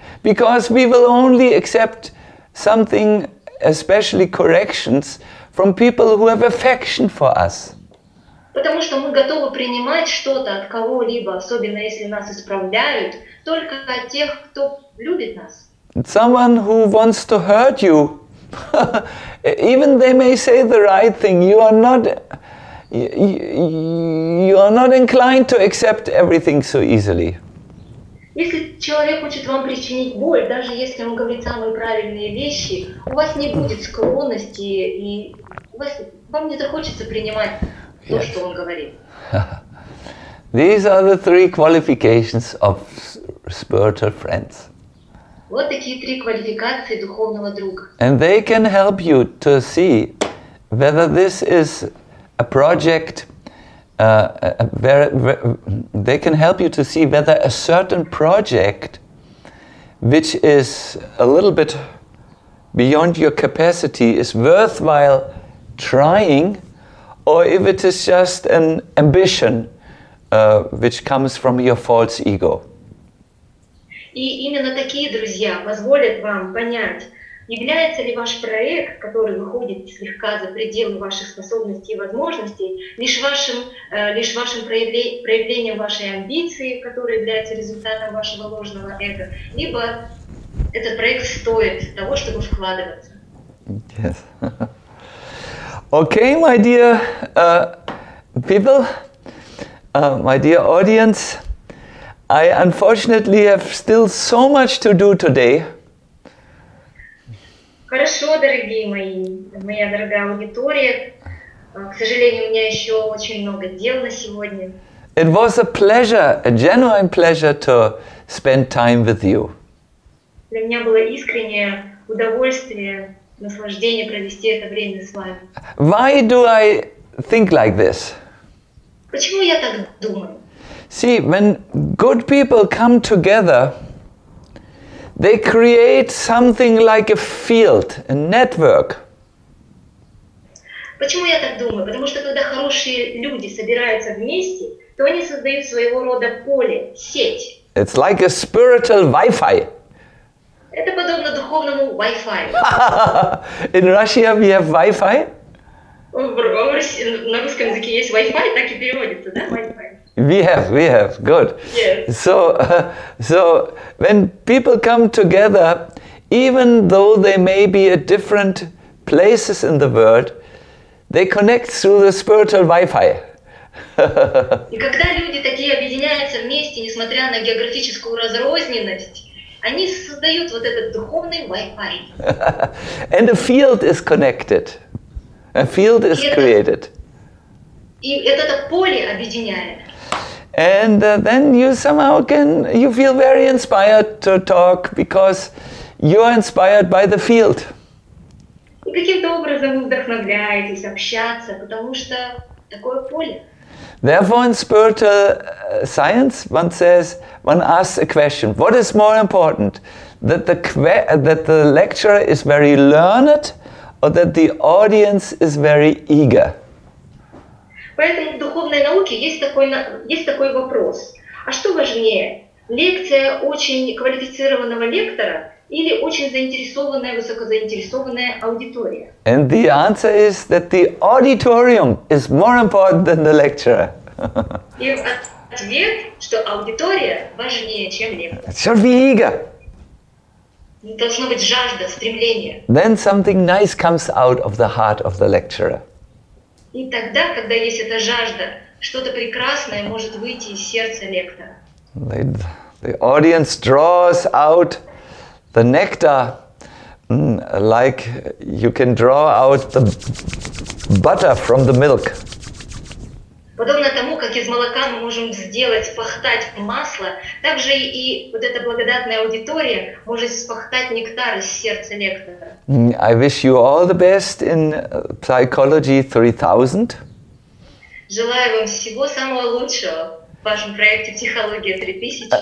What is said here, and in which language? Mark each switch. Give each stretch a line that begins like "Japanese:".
English: Because we will only accept something, especially corrections, from people who have affection for us.
Russian: Потому что мы готовы принимать что-то от кого-либо, особенно если нас исправляют, только от тех, кто любит нас.
English: Someone who wants to hurt you, even they may say the right thing, you are not inclined to accept everything so easily.
Russian: Если человек хочет вам причинить боль, даже если он говорит самые правильные вещи, у вас не будет склонности и вам не захочется принимать то,
English: yes,
Russian: что он говорит.
English: These are the three qualifications of spiritual friends.
Russian: Вот такие три квалификации духовного друга.
English: And they can help you to see whether this is a project. They can help you to see whether a certain project, which is a little bit beyond your capacity, is worthwhile trying, or if it is just an ambition, which comes from your false ego.
Russian: И именно такие друзья позволят вам понять, является ли ваш проект, который выходит слегка за пределы ваших способностей и возможностей, лишь вашим проявлением вашей амбиции, которая является результатом вашего ложного эго, либо этот проект стоит того, чтобы вкладываться.
English: Yes. Okay, my dear people, my dear audience, I unfortunately have still so much to do today.
Russian: Хорошо, дорогие мои, моя дорогая аудитория. К сожалению, у меня еще очень много дел на сегодня.
English: It was a pleasure, a genuine pleasure to spend time with you.
Russian: Для меня было искреннее удовольствие, наслаждение провести это время с вами.
English: Why do I think like this?
Russian: Почему я так думаю?
English: See, when good people come together, they create something like a field, a network.
Russian: Почему я так думаю? Потому что когда хорошие люди собираются вместе, то они создают своего рода поле, сеть.
English: It's like a spiritual Wi-Fi.
Russian: Это подобно духовному Wi-Fi.
English: In Russia we have Wi-Fi?
Russian: На русском языке есть Wi-Fi, так и переводится, да, Wi-Fi?
English: We have, good. Yes. So when people come together, even though they may be at different places in the world, they connect through the spiritual Wi-Fi.
Russian: И когда люди такие объединяются вместе, несмотря на географическую разрозненность, они создают вот этот духовный Wi-Fi.
English: And a field is connected. A field is created.
Russian: И это поле объединяет.
English: And then you somehow can, you feel very inspired to talk because you are inspired by the field.
Russian: И каким-то образом вдохновляетесь общаться, потому что такое поле.
English: Therefore, in spiritual science, one asks a question: what is more important, that the lecturer is very learned, or that the audience is very eager?
Russian: Поэтому в духовной науке есть такой вопрос. А что важнее, лекция очень квалифицированного лектора или очень заинтересованная, высокозаинтересованная аудитория?
English: And the answer is that the auditorium is more important than the lecturer.
Russian: И ответ, что аудитория важнее, чем лектор.
English: It should be eager.
Russian: Должно быть жажда, стремление.
English: Then something nice comes out of the heart of the lecturer.
Russian: И тогда, когда есть эта жажда, что-то прекрасное может выйти из сердца лектора.
English: The audience draws out the nectar like you can draw out the butter from the milk.
Russian: Подобно тому, как из молока мы можем сделать, спахтать масло, так же и вот эта благодатная аудитория может спахтать нектар из сердца лектора.
English: I wish you all the best in Psychology 3000.
Russian: Желаю вам всего самого лучшего в вашем проекте Психология 3000.